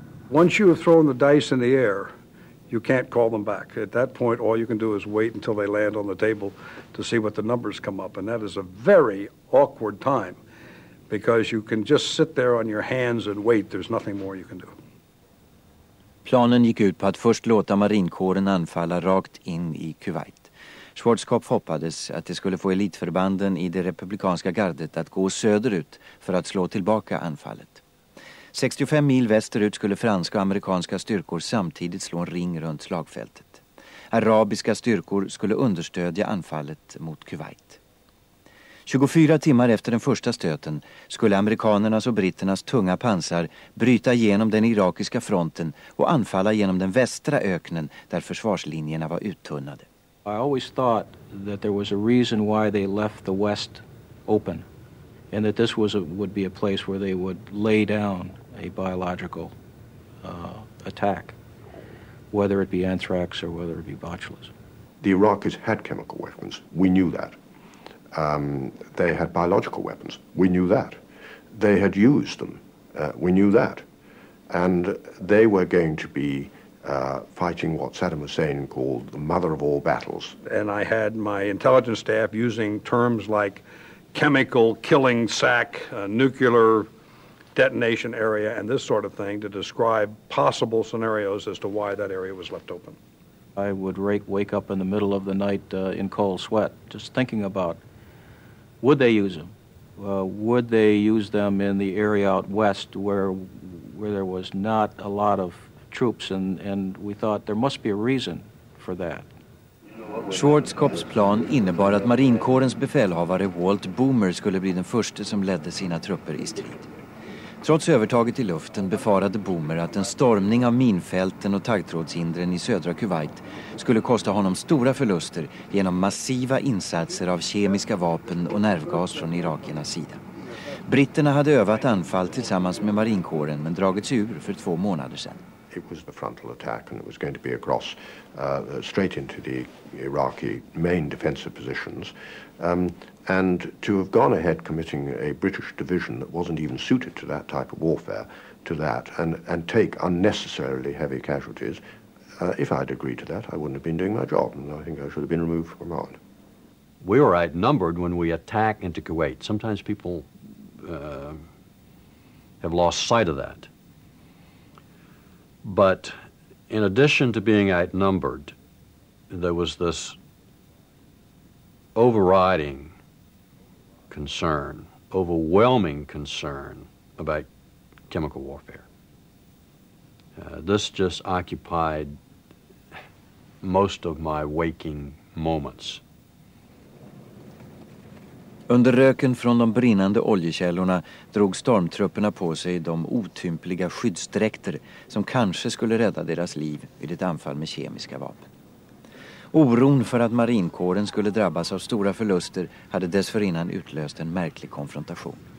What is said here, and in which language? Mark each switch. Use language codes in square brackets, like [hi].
[en] Once you have thrown the dice in the air, you can't call them back. At that point, all you can do is wait until they land on the table to see what the numbers come up. And that is a very awkward time because you can just sit there on your hands and wait. There's nothing more you can do. [sv] Planen gick ut på att först låta marinkåren anfalla rakt in i Kuwait. Schwarzkopf hoppades att det skulle få elitförbanden i det republikanska gardet att gå söderut för att slå tillbaka anfallet. 65 mil västerut skulle franska och amerikanska styrkor samtidigt slå en ring runt slagfältet. Arabiska styrkor skulle understödja anfallet mot Kuwait. 24 timmar efter den första stöten skulle amerikanernas och britternas tunga pansar bryta igenom den irakiska fronten och anfalla genom den västra öknen där försvarslinjerna var uttunnade. [en] I always thought that there was a reason why they left the west open and that this was would be a place where they would lay down a biological attack, whether it be anthrax or whether it be botulism. The Iraqis had chemical weapons. We knew that. They had biological weapons. We knew that. They had used them. We knew that. And they were going to be fighting what Saddam Hussein called the mother of all battles. And I had my intelligence staff using terms like chemical killing sack, nuclear detonation area, and this sort of thing to describe possible scenarios as to why that area was left open. I would wake up in the middle of the night in cold sweat just thinking about, would they use them? Would they use them in the area out west where there was not a lot of troops? And we thought there must be a reason for that. [sv] Schwarzkopfs plan innebar att marinkårens befälhavare Walt Boomer skulle bli den första som ledde sina trupper i strid. Trots övertaget i luften befarade Boomer att en stormning av minfälten och taggtrådshindren i södra Kuwait skulle kosta honom stora förluster genom massiva insatser av kemiska vapen och nervgas från irakiernas sida. Britterna hade övat anfall tillsammans med marinkåren men dragits ur för 2 månader sedan. [en] It was a frontal attack and it was going to be across straight into the Iraqi main defensive positions. And to have gone ahead committing a British division that wasn't even suited to that type of warfare to that and take unnecessarily heavy casualties, if I'd agreed to that, I wouldn't have been doing my job and I think I should have been removed from command. We were outnumbered when we attack into Kuwait. Sometimes people have lost sight of that. But in addition to being outnumbered, there was this overriding concern, overwhelming concern about chemical warfare. This just occupied most of my waking moments. [sv] Under röken från de brinnande oljekällorna drog stormtrupperna på sig de otympliga skyddsdräkter som kanske skulle rädda deras liv vid ett anfall med kemiska vapen. Oron för att marinkåren skulle drabbas av stora förluster hade dessförinnan utlöst en märklig konfrontation.